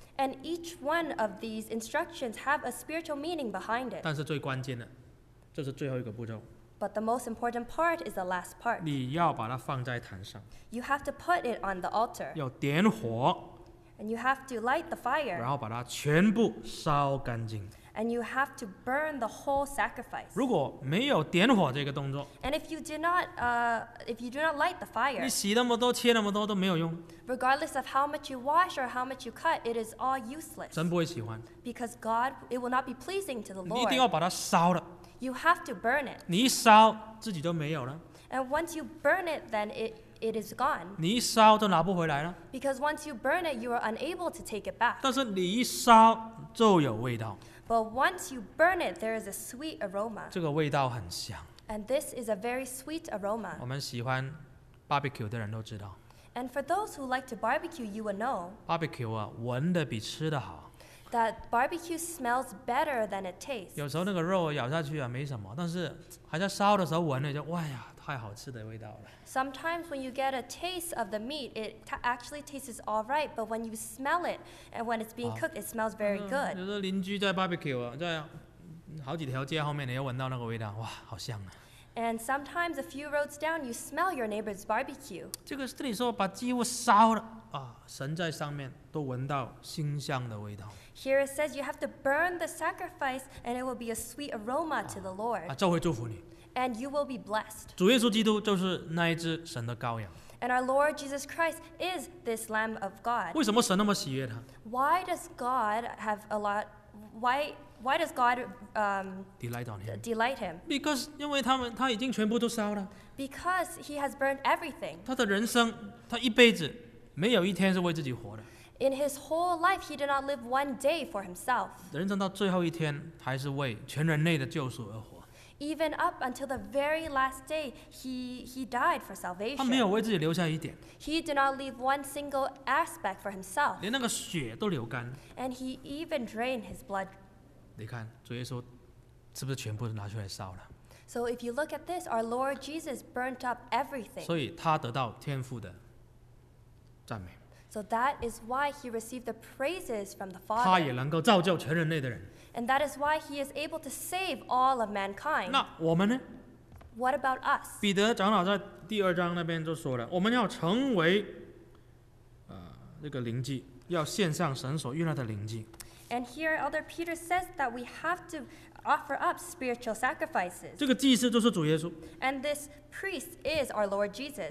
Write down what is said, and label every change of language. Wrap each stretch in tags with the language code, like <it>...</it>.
<en>And each one of these instructions have a spiritual meaning behind it.</en> <zh>但是最关键的，这是最后一个步骤。</zh> <en>But the most important part is the last part.</en> <zh>你要把它放在坛上。</zh> <en>You have to put it on the altar.</en> <zh>要点火。</zh> <en>And you have to light the fire.</en> <zh>然后把它全部烧干净。</zh> <en>And you have to burn the whole sacrifice.</en> <zh>如果没有点火这个动作。</zh> <en>And if you do not light the fire.</en> <zh>你洗那么多，切那么多都没有用。</zh> <en>Regardless of how much you wash or how much you cut, it is all useless.</en> <zh>神不会喜欢。</zh> <en>Because God, it will not be pleasing to the Lord.</en> <zh>你一定要把它烧了。</zh> <en>You have to burn it.</en> <zh>你一烧，自己都没有了。</zh> <en>And once you burn it, then it is gone.</en> <zh>你一烧就拿不回来了。</zh> <en>Because once you burn it, you are unable to take it back.</en> <zh>但是你一烧就有味道。</zh> <en>But once you burn it, there is a sweet aroma.</en> <zh>这个味道很香。</zh> <en>And this is a very sweet aroma.</en> <zh>我们喜欢 barbecue 的人都知道。</zh> <en>And for those who like to barbecue, you will know.</en> <zh>Barbecue 啊，闻的比吃的好。</zh> <en>That barbecue smells better than it tastes.</en> <zh>有时候那个肉咬下去啊，没什么，但是还在烧的时候闻了，就哇呀，太好吃的味道了。</zh> <en>Sometimes when you get a taste of the meat, it actually tastes all right. But when you smell it, and when it's being cooked, it smells very good.</en> <zh>就是邻居在 barbecue 啊，在好几条街后面，你又闻到那个味道，哇，好香啊。</zh> <en>And sometimes a few roads down, you smell your neighbor's barbecue.</en> <zh>这个这里说把祭物烧了。神在上面都闻到馨香的味道。</zh> <en>Here it says you have to burn the sacrifice, and it will be a sweet aroma to the Lord.</en> <zh>就会祝福你。</zh> <en>And you will be blessed.</en> <zh>主耶稣基督就是那一只神的羔羊。</zh> <en>And our Lord Jesus Christ is this Lamb of God.</en> <zh>为什么神那么喜悦他？</zh> <en>Why does God have a lot? Why does God delight on him? Delight him? Because</en> <zh>因为他已经全部都烧了。</zh> <en>Because he has burned everything.</en> <zh>他的人生，他一辈子。没有一天是为自己活的。</zh> <en>In his whole life, he did not live one day for himself.</en> <zh>人生到最后一天，还是为全人类的救赎而活。</zh> <en>Even up until the very last day, he died for salvation.</en> <zh>他没有为自己留下一点。</zh> <en>He did not leave one single aspect for himself.</en> <zh>连那个血都流干。</zh> <en>And he even drained his blood.</en> <zh>你看，主耶稣是不是全部都拿出来烧了？</zh> <en>So if you look at this, our Lord Jesus burnt up everything.</en> <zh>所以他得到天父的。</zh> <en>So that is why he received the praises from the Father.</en> <zh>他也能够造就全人类的人。</zh> <en>And that is why he is able to save all of mankind.</en> <zh>那我们呢？</zh> <en>What about us?</en> <zh>彼得长老在第二章那边就说了，我们要成为这个灵祭，要献上神所悦纳的灵祭。</zh> <en>And here Elder Peter says that we have to offer up spiritual sacrifices.</en> <zh>这个祭司就是主耶稣。</zh> <en>And this priest is our Lord Jesus.</en>